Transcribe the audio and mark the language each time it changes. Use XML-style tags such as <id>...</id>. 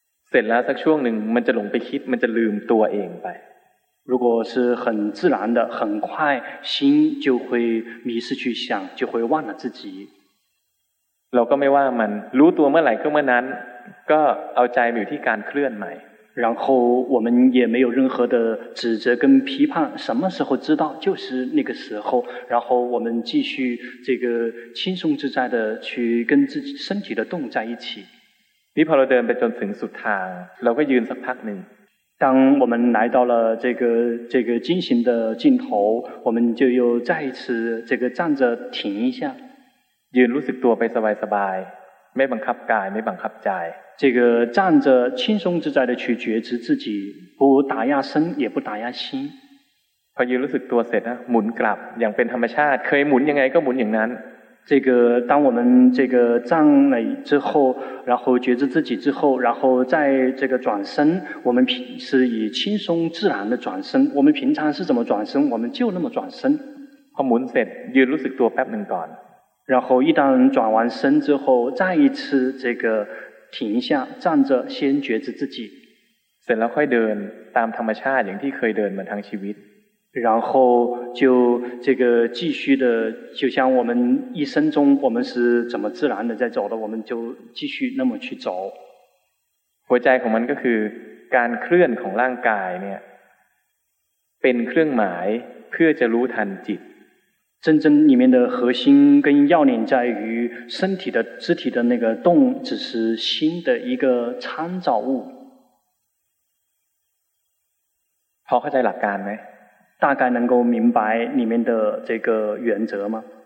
<th>เสร็จแล้วสักช่วงหนึ่งมันจะหลงไปคิดมันจะลืมตัวเองไป</th> <zh>如果是很自然的很快心就会迷失去想就会忘了自己</zh> <th>เราก็ไม่ว่ามันรู้ตัวเมื่อไหร่ก็เมื่อนั้นก็เอาใจอยู่ที่การเคลื่อนใหม่</th> <zh>然后我们也没有任何的指责跟批判什么时候知道就是那个时候然后我们继续这个轻松自在的去跟自己身体的动在一起</zh> <th>นี่พอเราเดินไปจนถึงสุดทางเราก็ยืนสักพักหนึ่ง</th> <zh>当我们来到了这个进行的尽头我们就又再一次这个站着停一下</zh> <th>ยืนรู้สึกตัวไปสบายๆไม่บังคับกายไม่บังคับใจ</th> <zh>这个站着轻松自在的去觉知自己不打压身也不打压心</zh> <th>พอยืนรู้สึกตัวเสร็จนะหมุนกลับอย่างเป็นธรรมชาติเคยหมุนยังไงก็หมุนอย่างนั้น</th> <zh>这个当我们这个站了之后然后觉知自己之后然后在这个转身我们是以轻松自然的转身我们平常是怎么转身我们就那么转身</zh> <th>พอหมุนเสร็จยืนรู้สึกตัวแป๊บหนึ่งก่อน</th> <zh>然后一旦转完身之后再一次这个停下站着先觉知自己</zh> <th>เสร็จแล้วค่อยเดินตามธรรมชาติอย่างที่เคยเดินมาทั้งชีวิต</th> <zh>然后就这个继续的就像我们一生中我们是怎么自然的在走的我们就继续那么去走</zh> <th>หัวใจของมันก็คือการเคลื่อนของร่างกายเนี่ยเป็นเครื่องหมายเพื่อจะรู้ทันจิต</th> <zh>真正里面的核心跟要点在于身体的肢体的那个动只是心的一个参照物</zh> <th>พอเข้าใจหลักการไหม</th> <zh>大概能够明白里面的这个原则吗</zh>